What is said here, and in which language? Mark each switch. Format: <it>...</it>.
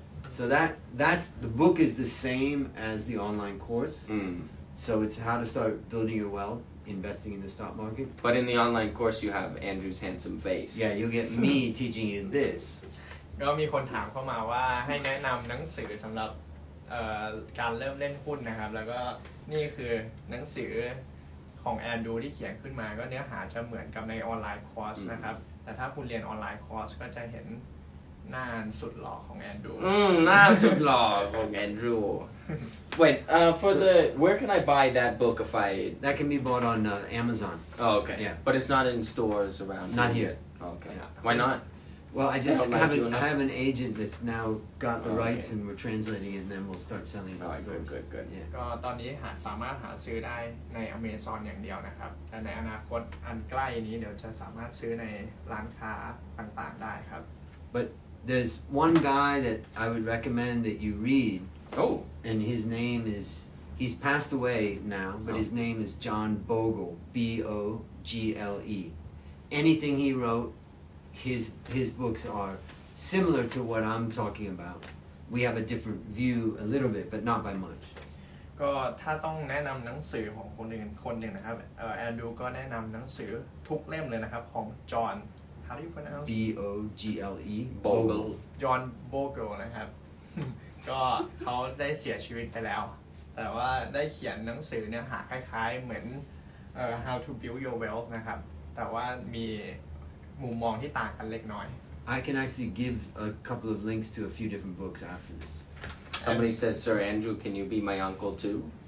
<en>So that's the book is the same as the online course. Mm. So it's how to start building your wealth, investing in the stock market. But in the online course, you have Andrew's handsome face. Yeah, you'll get me teaching you this. There was someone who asked me to recommend a book for...</en> <th>การเริ่มเล่นหุ้นนะครับแล้วก็นี่คือหนังสือของแอนดูที่เขียนขึ้นมาก็เนื้อหาจะเหมือนกับในออนไลน์คอร์สนะครับแต่ถ้าคุณเรียนออนไลน์คอร์สก็จะเห็นหน้าสุดหล่อของแอนดู หน้าสุดหล่อของแอนดู</th> <en>Wait for so, the where can I buy that book if I that can be bought on Amazon Oh okay yeah but it's not in stores around not here okay yeah. why not Well, I just have an agent that's now got the rights and we're translating it and then we'll start selling it in stores. Good. Yeah.</en> <th>ก็ตอนนี้หาสามารถหาซื้อได้ใน Amazon อย่างเดียวนะครับแต่ในอนาคตอันใกล้นี้เดี๋ยวจะสามารถซื้อในร้านค้าต่างๆได้ครับ</th> <en>But there's one guy that I would recommend that you read. Oh, and his name is he's passed away now, but his name is John Bogle, B-O-G-L-E. Anything he wrote His books are similar to what I'm talking about. We have a different view a little bit, but not by much.</en> <th>ก็ถ้าต้องแนะนำหนังสือของคนหนึ่งนะครับแอนดูก็แนะนำหนังสือทุกเล่มเลยนะครับของจอห์น</th> <en>How do you pronounce B O G L E Bogle</en> <th>John Bogle นะครับก็เขาได้เสียชีวิตไปแล้วแต่ว่าได้เขียนหนังสือเนื้อหาคล้ายๆเหมือน How to Build Your Wealth นะครับแต่ว่ามีมุมมองที่ต่างกันเล็กน้อย</th> <en>I can actually give a couple of links to a few different books after this. Somebody says, Sir Andrew, can you be my uncle too?</en>